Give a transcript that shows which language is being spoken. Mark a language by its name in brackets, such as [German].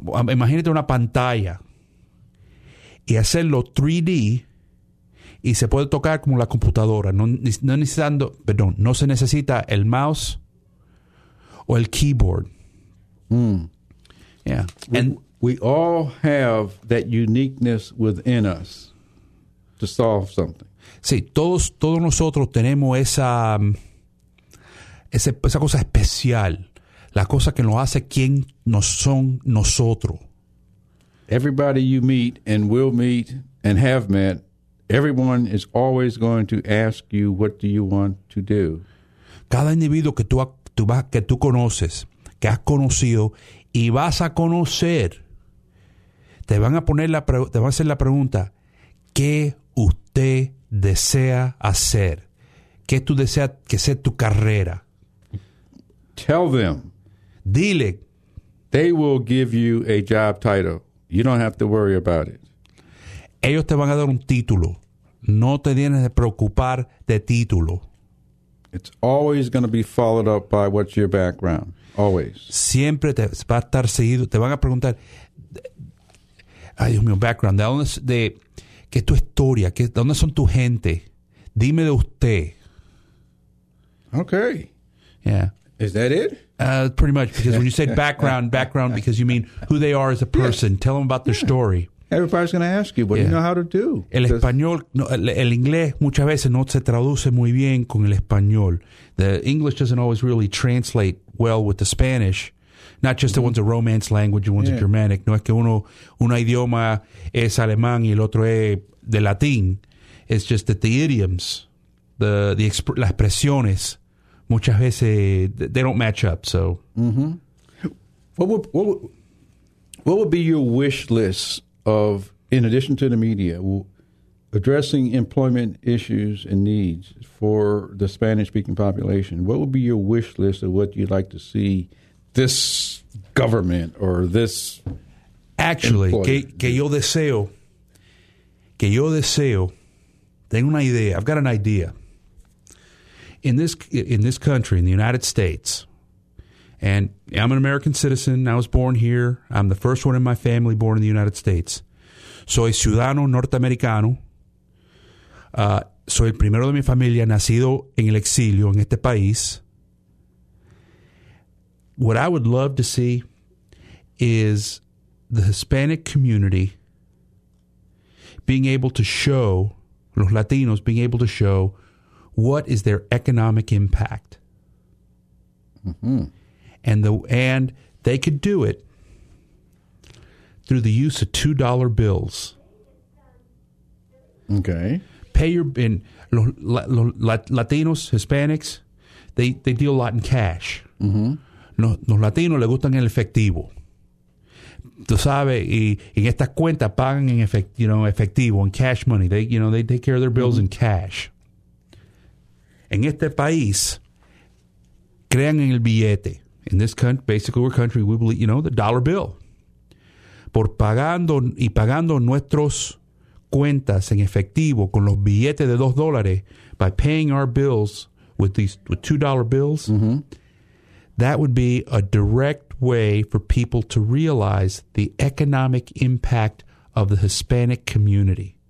[Spanish] Imagínate una pantalla y hacerlo 3D. Y se puede tocar como la computadora, no se necesita el mouse o el keyboard. Mm. [English] Yeah. We all have that uniqueness within us to solve something. [Spanish] Sí, todos nosotros tenemos esa cosa especial, la cosa que nos hace quien nos son nosotros. [English] Everybody you meet and will meet and have met, everyone is always going to ask you, what do you want to do? [Spanish] Cada individuo que tú conoces, que has conocido y vas a conocer, te van a hacer la pregunta, ¿qué usted desea hacer? ¿Qué tú deseas que sea tu carrera? [English] Tell them. [Spanish] Dile. [English] They will give you a job title. You don't have to worry about it. [Spanish] Ellos te van a dar un título. No te tienes de preocupar de título. [English] It's always going to be followed up by what's your background. Always. [Spanish] Siempre te va a estar seguido. Te van a preguntar, ay Dios mío, background. ¿Qué es tu historia? ¿Dónde son tu gente? Dime de usted. [English] Okay. Yeah. Is that it? Pretty much, because when you say background, because you mean who they are as a person. Yes. Tell them about their story. Everybody's going to ask you, what do you know how to do? [Spanish] El español, el inglés muchas veces no se traduce muy bien con el español. [English] The English doesn't always really translate well with the Spanish. Not just the ones a romance language and ones a Germanic. [Spanish] No es que uno idioma es alemán y el otro es de latín. [English] It's just that the idioms, [Spanish] las expresiones, [English] muchas veces, they don't match up, so. Mm-hmm. What would be your wish list of, in addition to the media, addressing employment issues and needs for the Spanish-speaking population? What would be your wish list of what you'd like to see this government or this actually employer? [Spanish] Que yo deseo, tengo una idea. [English] I've got an idea. In this country, in the United States, and I'm an American citizen. I was born here. I'm the first one in my family born in the United States. [Spanish] Soy ciudadano norteamericano. Soy el primero de mi familia nacido en el exilio en este país. [English] What I would love to see is the Hispanic community being able to show, los Latinos being able to show, what is their economic impact. Mm-hmm. And they could do it through the use of $2 bills. Okay. Pay your, in Latinos, Hispanics, they deal a lot in cash. Mm-hmm. [Spanish] Los latinos les gustan el efectivo. Tú sabes, y en estas cuentas pagan en efectivo, en [English] cash money. They take care of their bills in cash. [Spanish] En este país, crean en el billete. [English] In this country, basically we're country, we believe, the dollar bill. [Spanish] Por pagando y pagando nuestros cuentas en efectivo con los billetes de $2, [English] by paying our bills with $2 bills, that would be a direct way for people to realize the economic impact of the Hispanic community.